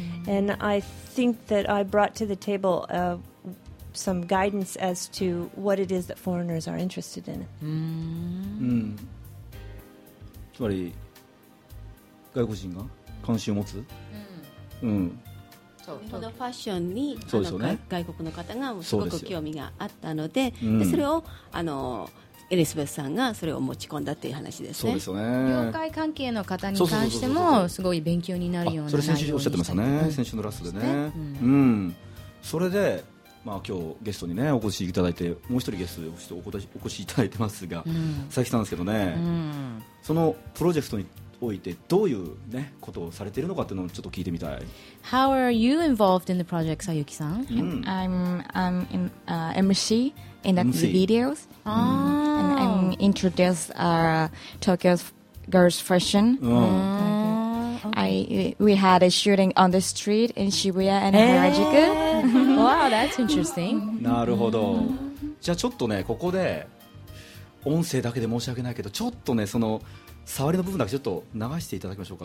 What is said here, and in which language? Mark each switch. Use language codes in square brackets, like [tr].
[en] And I think that I brought to the table a some guidance as to what it is that foreigners are interested in. [ja] つまり外国人が関心を持つ。そのファッションに、ね、外国の方がすごく興味があったの で、 それをエリスベスさんがそれを持ち込んだという話です ね、そうですよね。業界関係の方に関してもすごい勉強になるような。それ先週おっしゃってましたね。先週のラストでね。それでまあ、今日ゲストに、ね、お越しいただいてもう一人ゲストでお越しいただいてますが、佐伯さんですけどね、そのプロジェクトにおいてどういう、ね、ことをされているのかっていうのをちょっと聞いてみたい。 [en] How are you involved in the project, Sayuki-san?、 I'm in, MC in the MC. videos、and I'm introduced Tokyo girls fashion、we had a shooting on the street in Shibuya and Harajuku. Wow, that's interesting. [ja] なるほど。じゃあちょっとね、ここで音声だけで申し訳ないけど、ちょっとねその触りの部分だけちょっと流していただきましょうか。